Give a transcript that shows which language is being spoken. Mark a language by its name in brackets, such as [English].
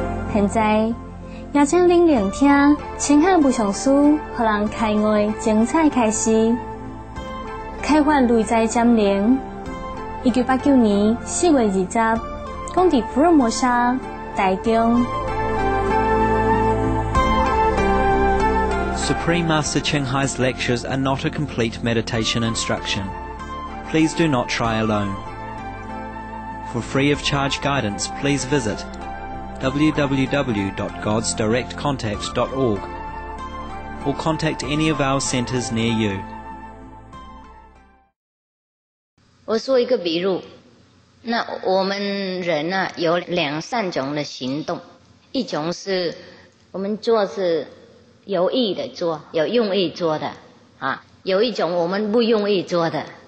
[Chinese] 现在，邀请您聆听《青海无上师》，予人开悟的精彩开始。开发内在潜能。1989年4月20日，讲在福尔摩沙台中。 [English] Supreme Master Ching Hai's lectures are not a complete meditation instruction. Please do not try alone. For free of charge guidance, please visit www.godsdirectcontact.org or contact any of our centers near you. [Chinese] 我说一个比如，那我们人呢，有两三种的行动，一种是我们做是有意的做，有用意做的啊，有一种我们不用意做的。